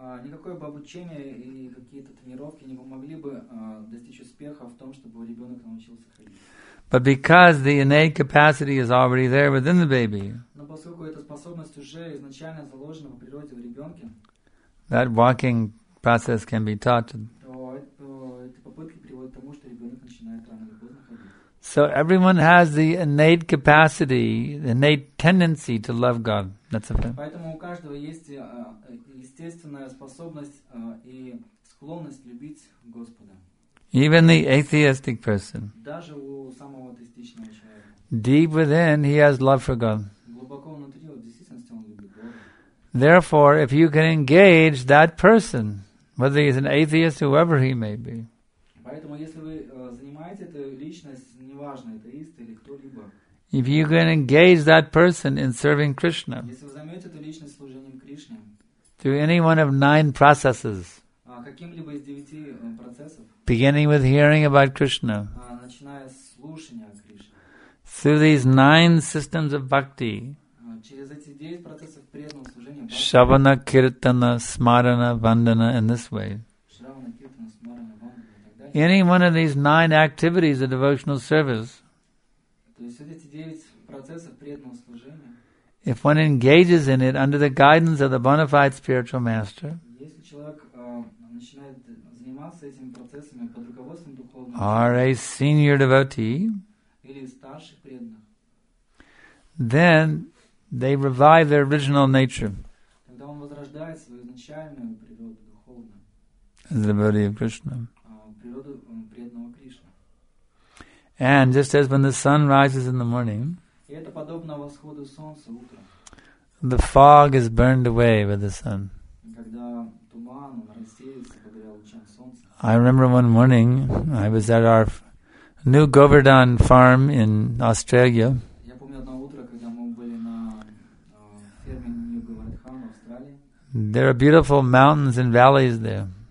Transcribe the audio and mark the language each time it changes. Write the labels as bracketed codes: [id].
[ru] Никакое бы обучение и какие-то тренировки не помогли бы достичь успеха в том, чтобы ребенок научился ходить. [en] But because the innate capacity is already there within the baby, [ru] но поскольку эта способность уже изначально заложена в природе в ребенке, [en] that walking process can be taught. [ru] Эти попытки приводят к тому, что ребенок начинает рано или поздно ходить. [en] So everyone has the innate capacity, the innate tendency to love God. That's a fact. [ru] Поэтому у каждого есть естественная способность и склонность любить Господа. [en] Even the atheistic person. [ru] Даже у самого атеистичного человека. [en] Deep within, he has love for God. [ru] Глубоко внутри, в действительности, он любит Бога. [en] Therefore, if you can engage that person, whether he's an atheist, whoever he may be. [ru] Поэтому, если вы занимаете эту личность, неважно, атеист или кто-либо. [en] If you can engage that person in serving Krishna. [ru] Если вы займете эту личность служением Кришне. [en] Through any one of nine processes. [ru] Каким-либо из девяти процессов. [en] Beginning with hearing about Krishna. [ru] Начиная с слушания о Кришне. [en] Through these nine systems of bhakti. [ru] Через эти девять процессов преданного служения. [sa] Shravana, kirtana, smarana, vandana [en] in this way. [sa] Shravana, kirtana, smarana, vandana. [en] Any one of these nine activities of devotional service. [ru] То есть эти девять процессов преданного служения. [en] If one engages in it under the guidance of the bona fide spiritual master, [ru] если человек начинает заниматься этими процессами под руководством духовного, [en] or a senior devotee, [ru] или старших преданных, [en] then they revive their original nature. [ru] Тогда он возрождает свою изначальную природу духовную. [en] As the body of Krishna. [ru] Природу преданного Кришны. [en] And just as when the sun rises in the morning. [ru] И это подобно восходу солнца утром. [en] The fog is burned away by the sun. [ru] Когда туман рассеивается благодаря лучам солнца. [en] I remember one morning I was at our new Govardhan farm in Australia. [ru] Я помню одно утро, когда мы были на ферме New Govardhan в Австралии. [en] There are beautiful mountains and valleys there.